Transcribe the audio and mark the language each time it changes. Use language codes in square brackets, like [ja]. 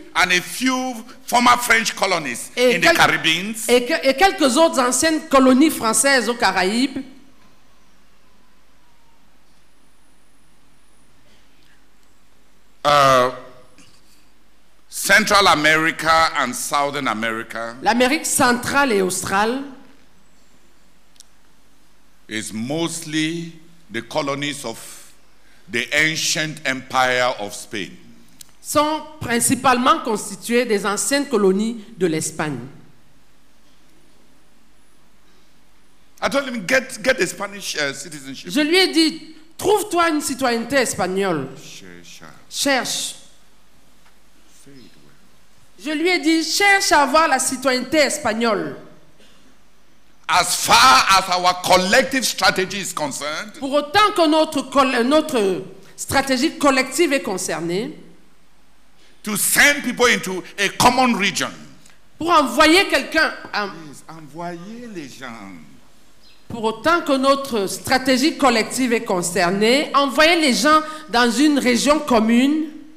[en] and a few former French colonies in the Caribbean, [fr] et quelques autres anciennes colonies françaises aux Caraïbes, [en] Central America and Southern America, [fr] l'Amérique centrale et australe, [en] is mostly the colonies of the ancient empire of Spain. [fr] Sont principalement constitués des anciennes colonies de l'Espagne. [en] I told him get a Spanish citizenship. [fr] Je lui ai dit trouve-toi une citoyenneté espagnole. Cherche. Je lui ai dit cherche à avoir la citoyenneté espagnole. [en] As far as our collective strategy is concerned. [fr] Pour autant que notre stratégie collective est concernée. [en] To send people into a common region. [fr] Pour envoyer quelqu'un. Envoyer les gens. Pour autant que notre stratégie collective est concernée, envoyer les gens dans une région commune.